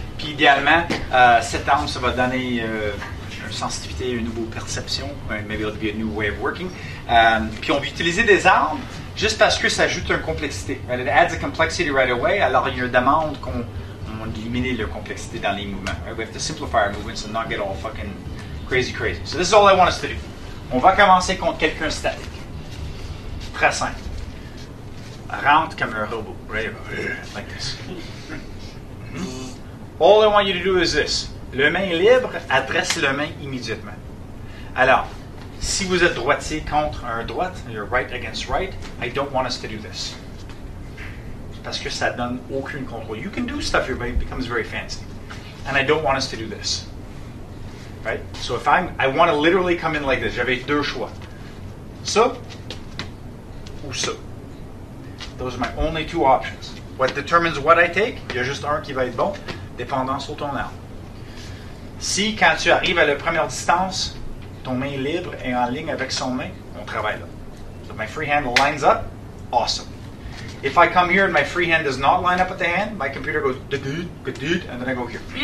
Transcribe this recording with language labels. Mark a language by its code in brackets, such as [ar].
[fr] Puis idéalement, cette arme, ça va donner une sensitivité, une nouvelle perception. [en] Maybe it'll be a new way of working. [fr] Puis on va utiliser des armes juste parce que ça ajoute une complexité. [en] Right? It adds a complexity right away. [fr] Alors, il y a une demande qu'on élimine la complexité dans les mouvements. [en] Right? We have to simplify our movements and not get all fucking... Crazy. So this is all I want us to do. [fr] On va commencer contre quelqu'un statique. Très simple. Rentre comme un robot. Right? [en] Like this. All I want you to do is this. [fr] Le main libre, adresse le main immédiatement. Alors, si vous êtes droitier contre un droite, [en] you're right against right, I don't want us to do this. [fr] Parce que ça donne aucune contrôle. [en] You can do stuff, your brain becomes very fancy. And I don't want us to do this. Right? So if I want to literally come in like this, [fr] j'avais deux choix. Ça ou ça. [en] Those are my only two options. What determines what I take, [fr] il y a juste un qui va être bon, dépendant sur ton arme. Si quand tu arrives à la première distance, ton main libre est en ligne avec son main, on travaille là. [en] So my free hand lines up, awesome. If I come here and my free hand does not line up with the hand, my computer goes, and then I go here.